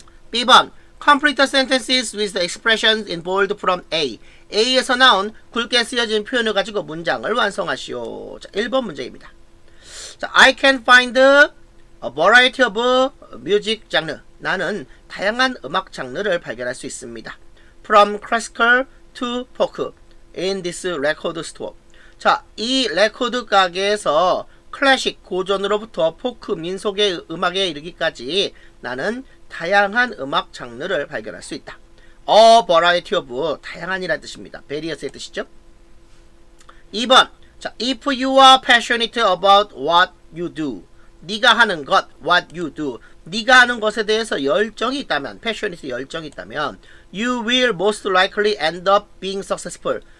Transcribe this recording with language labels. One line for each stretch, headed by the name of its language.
English: B번, complete the sentences with the expressions in bold from A.
Korean: A에서 나온 굵게 쓰여진 표현을 가지고 문장을 완성하시오. 자, 1번 문제입니다. 자,
English: I can find a variety of music genre.
Korean: 나는 다양한 음악 장르를 발견할 수 있습니다.
English: From classical to folk in this record store.
Korean: 자, 이 레코드 가게에서 클래식, 고전으로부터 포크, 민속의 음악에 이르기까지 나는 다양한 음악 장르를 발견할 수 있다.
English: A variety of,
Korean: 다양한이라는 뜻입니다. Various의 뜻이죠.
English: 2번, 자, if you are passionate about what you do,
Korean: 네가 하는 것,
English: what you do,
Korean: 네가 하는 것에 대해서 열정이 있다면,
English: passionate,
Korean: 열정이 있다면,
English: you will most likely end up being successful.